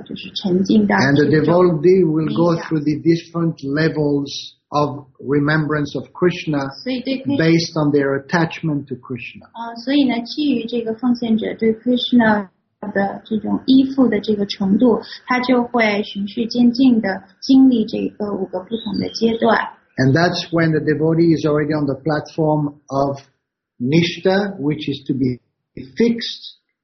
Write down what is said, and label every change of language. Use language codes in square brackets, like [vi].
[en] And the devotee will go through the different levels of remembrance of Krishna based on their attachment to Krishna. [zh] 所以呢，基于这个奉献者对Krishna 的这种依附的这个程度，他就会循序渐进的经历这个五个不同的阶段。 [en] And that's when the devotee is already on the platform of nishta, which is to be fixed.